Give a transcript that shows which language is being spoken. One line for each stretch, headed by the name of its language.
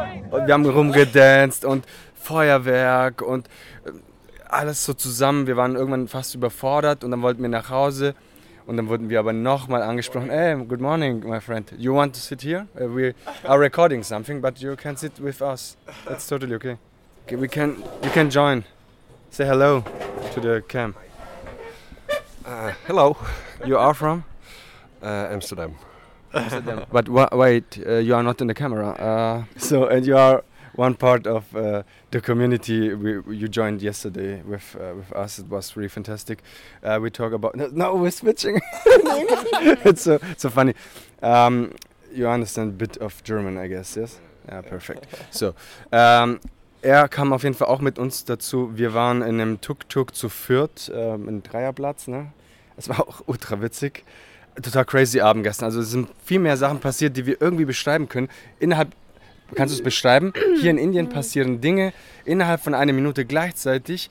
German: Und wir haben rumgedanzt und Feuerwerk und alles so zusammen. Wir waren irgendwann fast überfordert und dann wollten wir nach Hause. Und dann wurden wir aber nochmal angesprochen.
English: Hey, good morning, my friend. You want to sit here? We are recording something, but you can sit with us. That's totally okay. We can join. Say hello to the cam. Hello. You are from? Amsterdam. But wait, you are not in the camera. And you are one part of the community you joined yesterday with us. It was really fantastic. We talk about... No, we're switching. it's so funny. You understand a bit of German, I guess, yes? Yeah, perfect.
German: So, kam auf jeden Fall auch mit uns dazu. Wir waren in einem Tuk-Tuk zu viert, ein Dreierplatz. Ne? Es war auch ultra witzig. Total crazy Abend gestern. Also es sind viel mehr Sachen passiert, die wir irgendwie beschreiben können. Kannst du es beschreiben? Hier in Indien passieren Dinge innerhalb von einer Minute gleichzeitig.